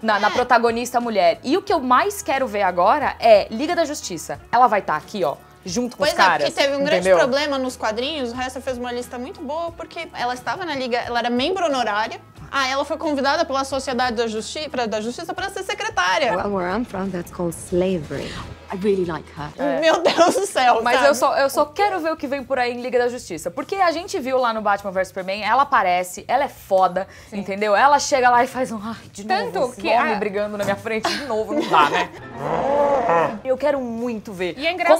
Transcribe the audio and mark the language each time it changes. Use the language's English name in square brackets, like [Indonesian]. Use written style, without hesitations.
[Portuguese] Na protagonista mulher. E o que eu mais quero ver agora é Liga da Justiça. Ela vai estar aqui, ó. Junto com pois os caras. Pois é, porque teve um grande problema nos quadrinhos. O Hesse fez uma lista muito boa, porque ela estava na Liga, ela era membro honorária. Ah, ela foi convidada pela Sociedade da Justiça para ser secretária. [English] Well, where I'm from, that's called slavery. I really like her. [Portuguese] Meu Deus do céu, mas sabe? Eu só quero ver o que vem por aí em Liga da Justiça. Porque a gente viu lá no Batman vs Superman, ela aparece, ela é foda, sim, entendeu? Ela chega lá e faz um... Ai, de tanto novo, que homem brigando na minha frente de novo, não dá, né? Eu quero muito ver e é engraçado,